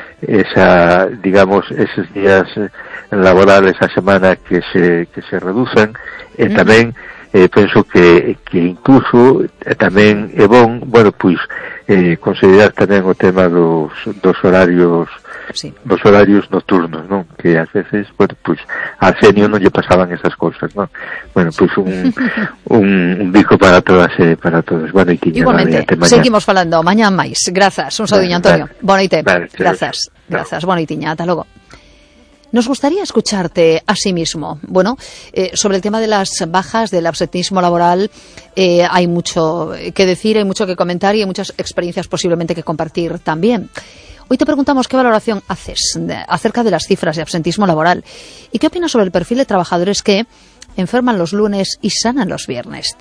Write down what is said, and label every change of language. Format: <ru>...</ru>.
<gl>esa digamos esos días laborales a semana que se reducen uh-huh. tamén penso que incluso tamén é bon, bueno, pois considerar tamén o tema dos horarios nocturnos, non? Que ás veces, bueno, pois a Arsenio non lle pasaban esas cousas, non? Bueno, sí. Pois un bico para todas e para todos. Bueno, e tiña igualmente, mañá. Seguimos falando mañá máis. Grazas, un saúdo, Antonio. Vale, bona noite. Grazas, bona noite, ata logo.</gl> <es>Nos gustaría escucharte a sí mismo. Bueno, sobre el tema de las bajas, del absentismo laboral, hay mucho que decir, hay mucho que comentar y hay muchas experiencias posiblemente que compartir también. Hoy te preguntamos qué valoración haces acerca de las cifras de absentismo laboral y qué opinas sobre el perfil de trabajadores que enferman los lunes y sanan los viernes.</es>